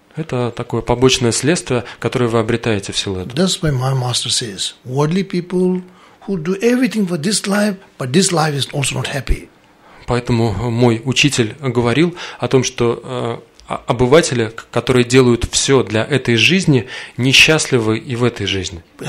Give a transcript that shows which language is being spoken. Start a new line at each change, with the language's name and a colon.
Russian: Это такое побочное следствие, которое вы обретаете в силу этого.
English: That's why my master says, worldly people who do everything for this life, but this life is also not happy.
Russian: Поэтому мой учитель говорил о том, что обыватели, которые делают все для этой жизни, несчастливы и в этой жизни.